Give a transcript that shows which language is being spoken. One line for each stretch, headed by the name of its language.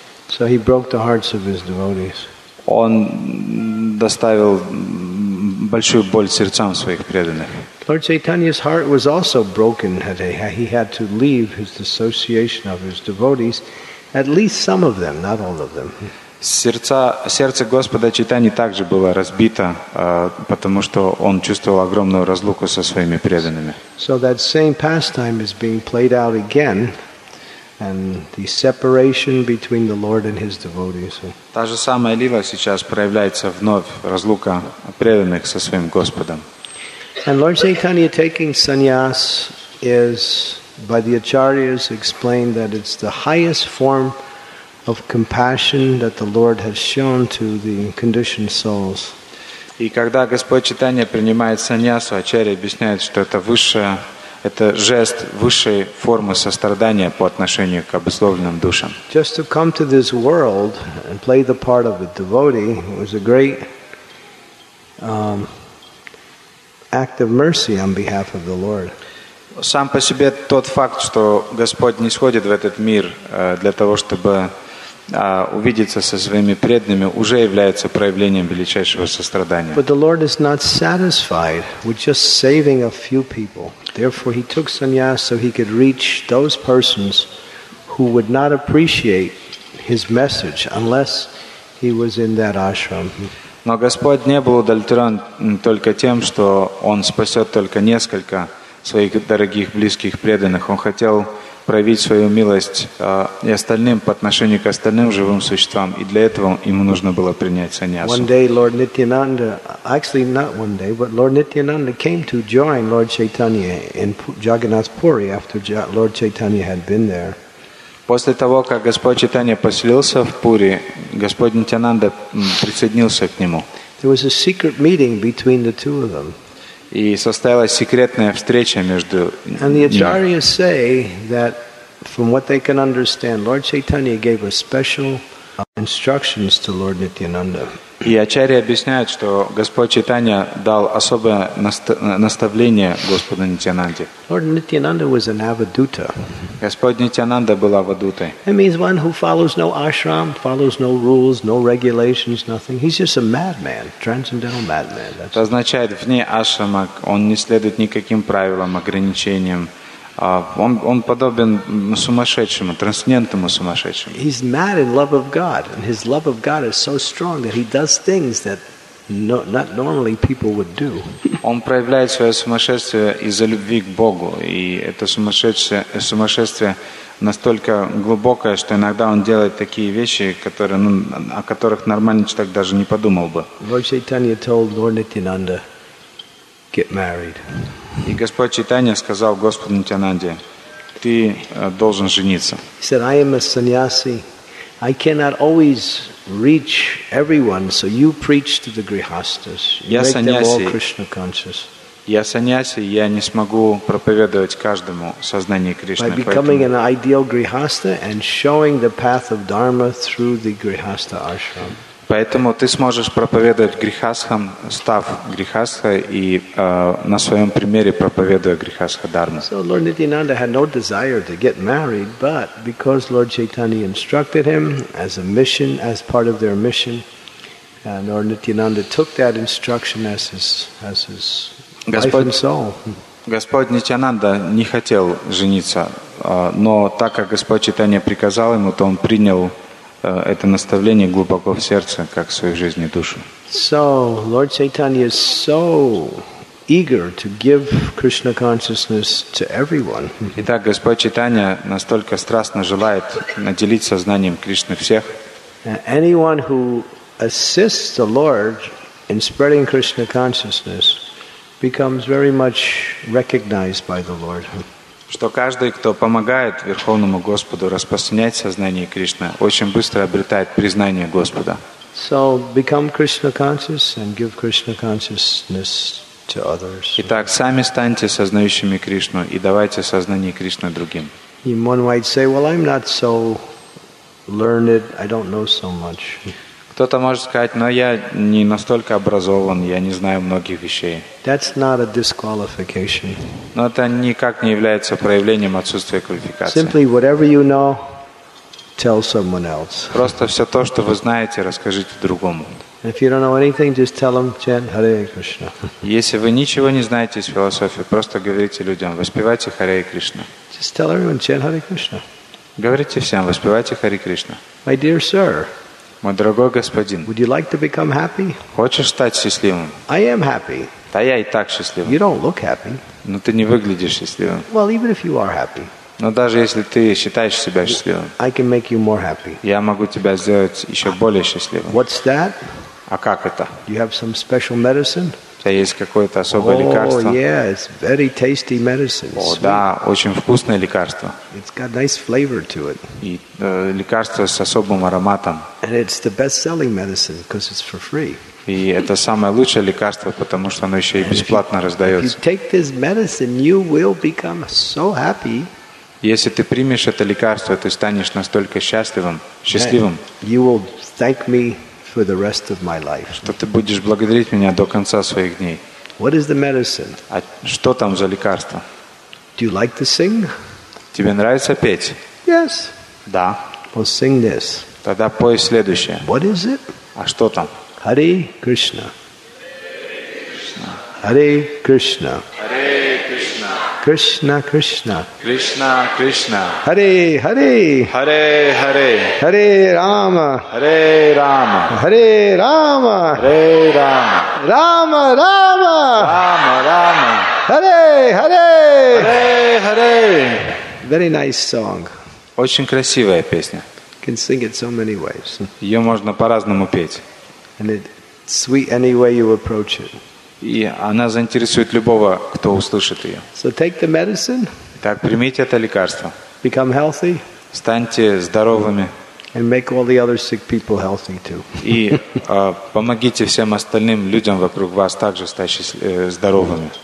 English: So he broke the hearts of his devotees.
Russian: Он доставил большую боль сердцам своих преданных.
English: Lord Chaitanya's heart was also broken. He had to leave his association of his devotees, at least some of them, not all of them.
Russian: Сердце Господа Чайтаньи также было разбито, потому что он чувствовал огромную разлуку со своими преданными.
English: So that same pastime is being played out again, and the separation between the Lord and his devotees.
Russian: Та же самая лила сейчас проявляется вновь, разлука преданных со своим Господом.
English: And Lord Chaitanya taking sannyas is, by the acharyas, explained that it's the highest form of compassion that the Lord has shown to the conditioned souls.
Russian: И когда Господь Чайтанья принимает саньясу, ачарья объясняет, что это высшее, это жест высшей формы сострадания по отношению к обусловленным душам.
English: Just to come to this world and play the part of a devotee was a great act of mercy on behalf of the Lord.
Russian: Сам по себе тот факт, что Господь нисходит в этот мир для того, чтобы увидеться со своими преданными уже является проявлением величайшего сострадания.
English: But the Lord is not satisfied with just saving a few people. Therefore, he took sannyas so he could reach those persons who would not appreciate his message unless he was in that ashram.
Russian: Но Господь не был удовлетворен только тем, что Он спасет только несколько своих дорогих, близких, преданных. Он хотел проявить свою милость и остальным, по отношению к остальным живым существам. И для этого ему нужно было принять саньясу.
English: One day Lord Nityananda, actually not one day, but Lord Nityananda came to join Lord Chaitanya in Jagannath Puri after Lord Chaitanya had been there.
Russian: После того, как Господь Чайтанья поселился в Пури, Господь Нитьянанда присоединился к нему.
English: There was a secret meeting between the two of them.
Russian: И состоялась секретная встреча между ними.
English: And the acharyas say that from what they can understand, Lord Chaitanya gave a special instructions to Lord Nityananda.
Russian: И ачарьи объясняют, что Господь Чайтанья дал особое наставление Господу Нитьянанде.
English: Lord Nityananda was an avaduta.
Russian: Господь Нитьянанда был авадутой.
English: That means one who follows no ashram, follows no rules, no regulations, nothing. He's just a madman, transcendental madman.
Russian: Это означает, вне ашрама он не следует никаким правилам, ограничениям. Он подобен сумасшедшему, трансцендентному сумасшедшему.
English: He's mad in love of God, and his love of God is so strong that he does things that not normally people would do.
Russian: Он проявляет свое сумасшествие из-за любви к Богу, и это сумасшествие настолько глубокое, что иногда он делает такие вещи, которые, ну, о которых нормальный человек даже не подумал бы.
English: Lord Chaitanya told Lord Nityananda, get married.
Russian: И Господь Чайтанья сказал Господу Нитьянанде, ты должен жениться.
English: He said, I am a sannyasi. I cannot always reach everyone, so you preach to the grihasthas. You make them all Krishna conscious.
Russian: Я саньяси, я не смогу проповедовать каждому сознание Кришны.
English: By becoming an ideal grihastha and showing the path of Dharma through the grihastha ashram.
Russian: Поэтому ты сможешь проповедовать грихасхам, став грихасхой и на своем примере проповедуя грихасха дарму.
English: So Lord Nityananda had no desire to get married, but because Lord Chaitanya instructed him as a mission, as part of their mission, and Lord Nityananda took that instruction as his
Russian: Господь,
English: life and soul.
Russian: Господь Нитьянанда не хотел жениться, но так как Господь Чайтанья приказал ему, то он принял это наставление глубоко в сердце, как в своей жизни душу.
English: So, Lord Chaitanya is so eager to give Krishna consciousness to everyone.
Russian: Итак, Господь Чайтанья настолько страстно желает наделить сознанием Кришны всех.
English: Anyone who assists the Lord in spreading Krishna consciousness becomes very much recognized by the Lord.
Russian: Что каждый, кто помогает Верховному Господу распространять сознание Кришны, очень быстро обретает признание Господа.
English: So become Krishna conscious and give Krishna consciousness to others.
Russian: Итак, сами станьте сознающими Кришну и давайте сознание Кришны другим.
English: One might say, well, I'm not so learned, I don't know so much.
Russian: Кто-то может сказать, но я не настолько образован, я не знаю многих вещей.
English: That's not a disqualification.
Russian: Но это никак не является проявлением отсутствия квалификации.
English: Simply whatever you know, tell someone else.
Russian: Просто все то, что вы знаете, расскажите другому.
English: If you don't know anything, just tell them, chant Hare Krishna.
Russian: Если вы ничего не знаете из философии, просто говорите людям, воспевайте Hare Krishna.
English: Just tell everyone, chant Hare Krishna.
Russian: Говорите всем, воспевайте Hare Krishna.
English: My dear sir.
Russian: Мой дорогой господин,
English: would you like to become happy?
Russian: Хочешь стать счастливым?
English: I am happy.
Russian: Да я и так счастлив.
English: You don't look happy.
Russian: Но ты не выглядишь счастливым.
English: Well, even if you are happy.
Russian: Но даже если ты считаешь себя счастливым,
English: I can make you more happy.
Russian: Я могу тебя сделать еще более счастливым.
English: What's that?
Russian: А как это?
English: You have some special medicine?
Russian: У тебя есть какое-то особое лекарство?
English: Oh, yeah, it's very tasty medicine.
Russian: О, да, очень вкусное лекарство.
English: It's got nice flavor to it.
Russian: И лекарство с особым ароматом.
English: And it's the best-selling medicine because it's for free.
Russian: И это самое лучшее лекарство, потому что оно еще и бесплатно раздается.
English: If you take this medicine, you will become so happy.
Russian: Если ты примешь это лекарство, ты станешь настолько счастливым.
English: You will thank me for the rest of my life.
Russian: Что ты будешь благодарить меня до конца своих дней?
English: What is the medicine?
Russian: А что там за лекарство?
English: Do you like to sing?
Russian: Тебе нравится петь?
English: Yes.
Russian: Да.
English: Well, sing this.
Russian: Тогда пой следующее.
English: What is it?
Russian: А что там?
Sanskrit: Hare Krishna. Hare Krishna. Hare Krishna. Krishna Krishna. Krishna Krishna. Hare Hare. Hare Hare. Hare Rama. Hare Rama. Hare Rama. Hare Rama. Rama Rama. Rama Rama. Hare Hare. Hare Hare.
English: Very nice song.
Russian: Очень красивая песня.
English: You can sing it so many ways.
Russian: Ее можно по-разному петь.
English: And it sweet any way you approach it.
Russian: И она заинтересует любого, кто услышит ее.
English: So take the medicine.
Russian: Так, примите это лекарство.
English: Become healthy.
Russian: Станьте здоровыми.
English: And make all the other sick people healthy too.
Russian: И помогите всем остальным людям вокруг вас также стать здоровыми.